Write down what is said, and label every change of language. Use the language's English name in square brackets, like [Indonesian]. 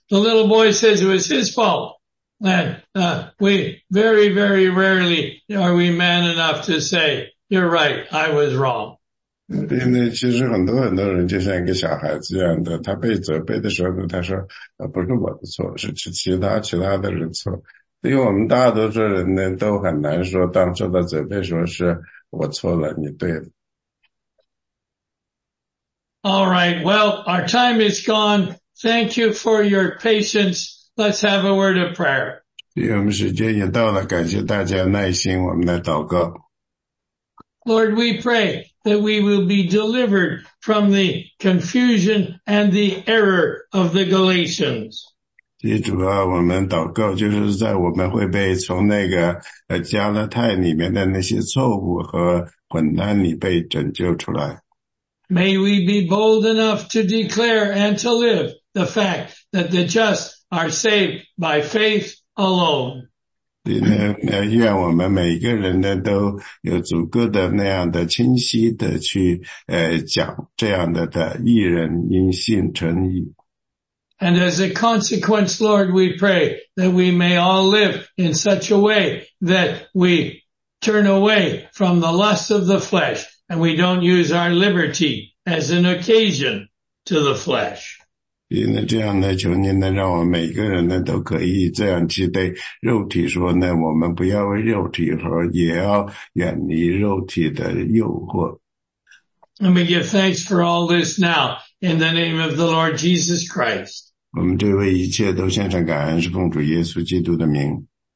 [English] The little boy says it was his fault. And we very, very rarely are we man enough to say, you're right, I was wrong. [Chinese] 其实很多很多人就像一个小孩子一样的，他被责备的时候呢，他说，不是我的错，是其他的人错。因为我们大多数人呢，都很难说，当受到责备说是我错了，你对了。 [English] All right, well, our time is gone. Thank you for your patience. Let's have a word of prayer. [Chinese] 我们时间也到了，感谢大家耐心，我们来祷告。 [English] Lord, we pray that we will be delivered from the confusion and the error of the Galatians. [Chinese] 主啊，我们祷告，就是在我们会被从那个加勒太里面的那些错误和混乱里被拯救出来。 [English] May we be bold enough to declare and to live the fact that the just are saved by faith alone. [Chinese] 愿我们每个人呢都有足够的那样的清晰的去讲这样的义人因信称义。 [English] And as a consequence, Lord, we pray that we may all live in such a way that we turn away from the lust of the flesh. And we don't use our liberty as an occasion to the flesh. [Chinese] 这样呢，求您呢，让我们每个人呢都可以这样去对肉体说呢，我们不要为肉体而也要远离肉体的诱惑。 [English] And we give thanks for all this now in the name of the Lord Jesus Christ. [Chinese] 我们这位一切都献上感恩，是奉主耶稣基督的名。